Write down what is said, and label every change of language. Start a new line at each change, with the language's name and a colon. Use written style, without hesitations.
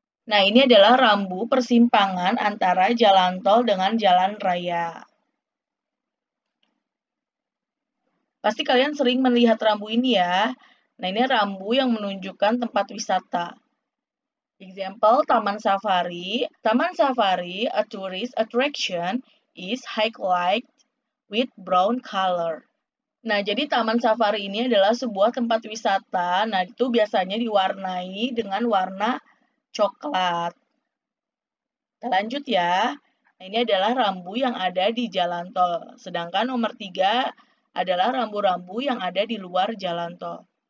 Indonesian: Nah, ini adalah rambu persimpangan antara jalan tol dengan jalan raya. Pasti kalian sering melihat rambu ini ya. Nah, ini rambu yang menunjukkan tempat wisata.
English: Example, Taman Safari. Taman Safari, a tourist attraction, is highlighted with brown color.
Indonesian: Nah, jadi Taman Safari ini adalah sebuah tempat wisata. Nah, itu biasanya diwarnai dengan warna coklat. Kita lanjut ya. Nah, ini adalah rambu yang ada di jalan tol. Sedangkan nomor tiga adalah rambu-rambu yang ada di luar jalan tol.